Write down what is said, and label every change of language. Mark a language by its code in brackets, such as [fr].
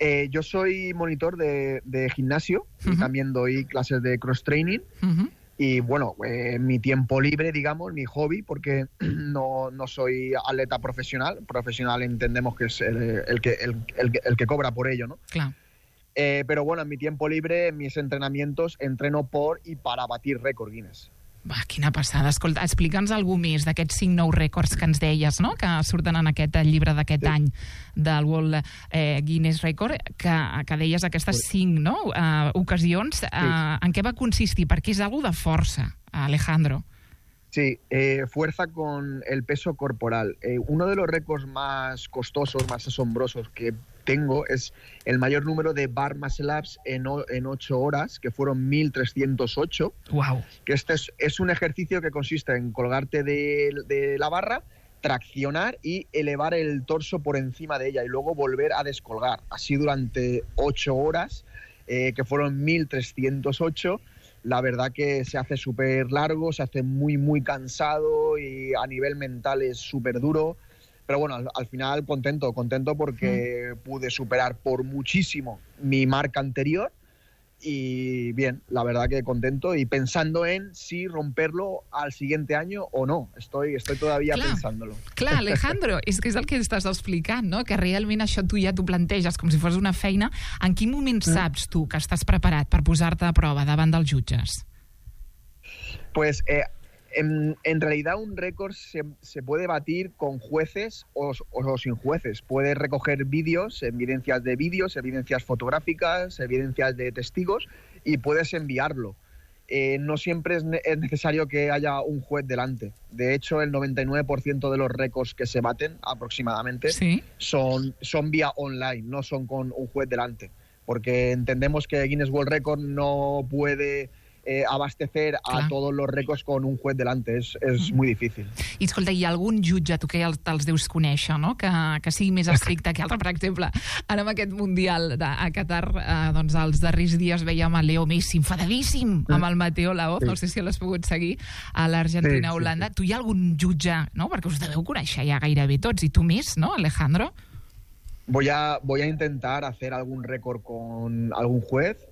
[es] Yo soy monitor de gimnasio, y también doy clases de cross-training, y bueno, mi tiempo libre, digamos, mi hobby, porque no soy atleta profesional entendemos que es el que cobra por ello, ¿no? Claro. Pero bueno, en mi tiempo libre, en mis entrenamientos, entreno por y para batir récord Guinness. [ca] Va, quina passada. Escolta, explica'ns algú més d'aquests 5 nous rècords que ens deies, no?, que surten en aquest llibre d'aquest any del World Guinness Record, que deies aquestes 5, no?, ocasions. En què va consistir? Perquè és algo de força, Alejandro. [es] Sí, fuerza con el peso corporal. Uno de los récords más costosos, más asombrosos que tengo es el mayor número de bar muscle ups en 8 horas, que fueron 1.308. ¡Wow! Que este es un ejercicio que consiste en colgarte de la barra, traccionar y elevar el torso por encima de ella y luego volver a descolgar. Así durante 8 horas, que fueron 1.308. La verdad que se hace súper largo, se hace muy, muy cansado y a nivel mental es súper duro. Pero bueno, al final contento porque pude superar por muchísimo mi marca anterior. Y bien, la verdad que contento y pensando en si romperlo al siguiente año o no. Estoy todavía clar, pensándolo. [ca] Clar, Alejandro, és que és el que estàs explicant, no? Que realment això tu ja t'ho planteges com si fos una feina. En quin moment saps tu que estàs preparat per posar-te a prova davant dels jutges? [es] Pues en realidad un récord se puede batir con jueces o sin jueces. Puedes recoger evidencias de vídeos, evidencias fotográficas, evidencias de testigos y puedes enviarlo. No siempre es necesario que haya un juez delante. De hecho, el 99% de los récords que se baten aproximadamente son vía online, no son con un juez delante. Porque entendemos que Guinness World Record no puede abastecer a todos los récords con un juez delante, es muy difícil. [ca] I escolta, hi ha algun jutge, tu que ja els deus conèixer, no?, que sigui més estricte que altre? Per exemple, ara amb aquest Mundial a Qatar, doncs els darrers dies veiem a Leo Messi enfadadíssim amb el Mateo Laoz, no sé si l'has pogut seguir, a l'Argentina-Holanda. Tu hi ha algun jutge, no?, perquè us deveu conèixer ja gairebé tots, i tu més, no, Alejandro? [es] Voy a intentar hacer algún récord con algún juez.